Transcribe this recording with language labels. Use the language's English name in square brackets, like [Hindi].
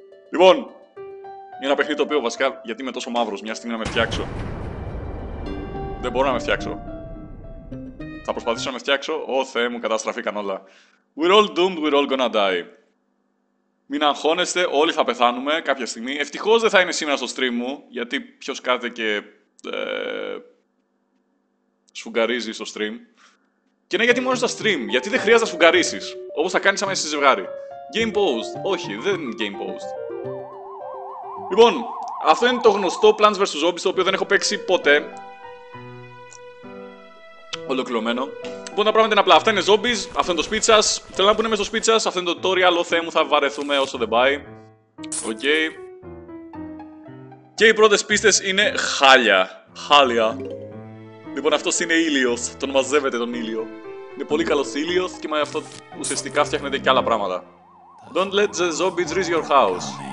[Greek] Λοιπόν, είναι ένα παιχνίδι το οποίο βασικά, γιατί είμαι τόσο μαύρος, μια στιγμή να με φτιάξω. Δεν μπορώ να με φτιάξω. Θα προσπαθήσω να με φτιάξω, ω Θεέ μου, καταστραφήκαν όλα. [English] We're all doomed, we're all gonna die. [Greek] Μην αγχώνεστε, όλοι θα πεθάνουμε κάποια στιγμή. Ευτυχώς δεν θα είναι σήμερα στο stream μου, γιατί ποιος κάθεται και... σφουγγαρίζει στο stream. Και ναι, γιατί μόνο στα stream, γιατί δεν χρειάζεται να σφουγγαρίσεις. Όπως θα κάνεις άμα είσαι ζευγάρι. Game post. Όχι, δεν είναι game post. Λοιπόν, αυτό είναι το γνωστό Plants vs. Zombies, το οποίο δεν έχω παίξει ποτέ. Ολοκληρωμένο. Λοιπόν, τα πράγματα είναι απλά. Αυτά είναι zombies, αυτό είναι το σπίτι σας. Θέλω να πούνε μέσα στο σπίτι σας, αυτό είναι το tutorial, ο Θεέ μου, θα βαρεθούμε όσο δεν πάει. Οκ. Okay. Και οι πρώτες πίστες είναι χάλια. Χάλια. Λοιπόν, αυτός είναι ήλιος. Τον μαζεύεται τον ήλιο. Είναι πολύ καλός ήλιος και με αυτό ουσιαστικά φτιάχνεται και άλλα πράγματα. [English] Don't let the zombies reach your house.